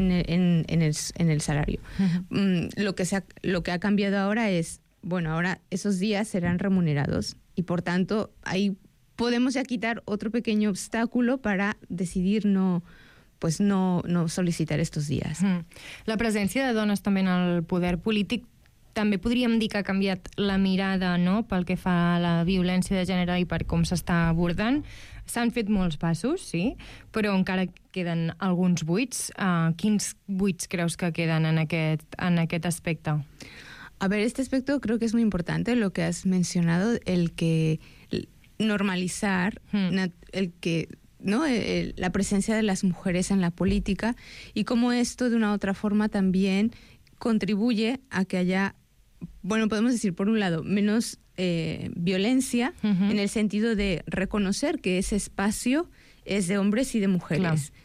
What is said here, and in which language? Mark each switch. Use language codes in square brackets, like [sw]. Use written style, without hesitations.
[es] en el salario. Lo que ha cambiado ahora es, bueno, ahora esos días serán remunerados y por tanto ahí podemos ya quitar otro pequeño obstáculo para decidir no solicitar estos días. [ca] La presència de dones també en el poder polític també podríem dir que ha canviat la mirada, no?, pel que fa a la violència de gènere i per com s'està abordant. S'han fet molts passos, sí, però encara queden alguns buits. Quins buits creus que queden en aquest aspecte? [es] A ver, este aspecto creo que es muy importante, lo que has mencionado, el que normalizar, el que, ¿no?, la presencia de las mujeres en la política y cómo esto de una u otra forma también contribuye a que haya, bueno, podemos decir por un lado, menos violencia, en el sentido de reconocer que ese espacio es de hombres y de mujeres, claro.